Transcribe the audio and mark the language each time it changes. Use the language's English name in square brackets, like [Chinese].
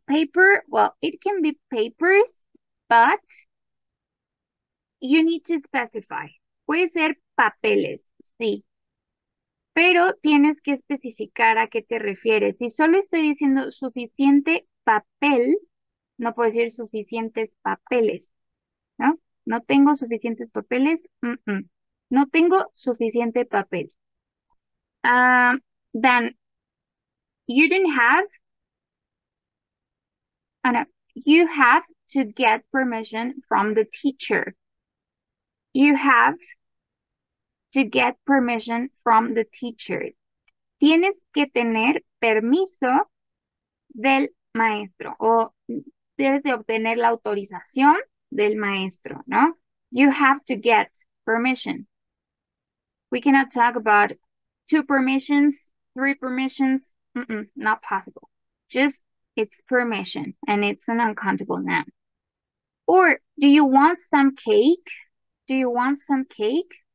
[English] Paper, well, it can be papers, but you need to specify. [Spanish] Puede ser papeles, sí. Pero tienes que especificar a qué te refieres. Si solo estoy diciendo suficiente papel, no puedo decir suficientes papeles, ¿no? No tengo suficientes papeles. No tengo suficiente papel. [English] Then, you didn't have, oh no, you have to get permission from the teacher. You have to get permission from the teacher. [Spanish] Tienes que tener permiso del maestro o debes de obtener la autorización del maestro, ¿no? [English] You have to get permission. We cannot talk about two permissions, three permissions. Not possible. Just it's permission and it's an uncountable noun. Or do you want some cake? Do you want some cake?